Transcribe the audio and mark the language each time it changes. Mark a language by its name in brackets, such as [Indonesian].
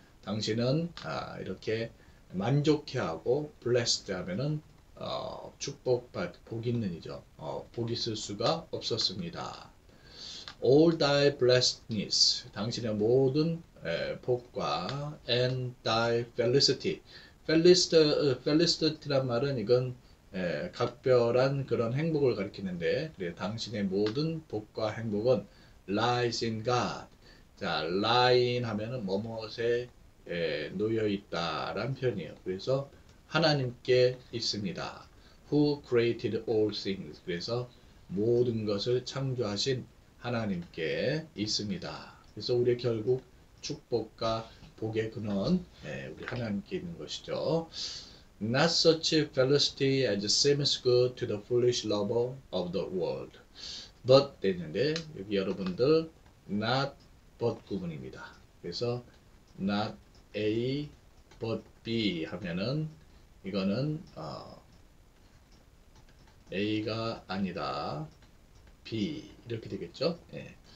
[Korean] 당신은 이렇게 만족해하고 blessed 하면은 축복받 복 있는이죠. 복 있을 수가 없었습니다. [English] All thy blessedness, [Korean] 당신의 모든 복과 [English] and thy felicity. [Korean] Felicity란 말은 이건 각별한 그런 행복을 가리키는데, 당신의 모든 복과 행복은 [English] lies in God. [Korean] 자, lying 하면은 뭐뭇에 놓여 있다란 표현이에요. 그래서 하나님께 있습니다. [English] Who created all things? [Korean] 그래서 모든 것을 창조하신 하나님께 있습니다. 그래서 우리의 결국 축복과 복의 근원, 우리 하나님께 있는 것이죠. [English] Not such felicity as seems good to the foolish lover of the world. [Korean] But 되는데, 여기 여러분들, not but 구분입니다. 그래서 [English] not A, but B [Korean] 하면은 이거는 A가 아니다. B 이렇게 되겠죠? 예.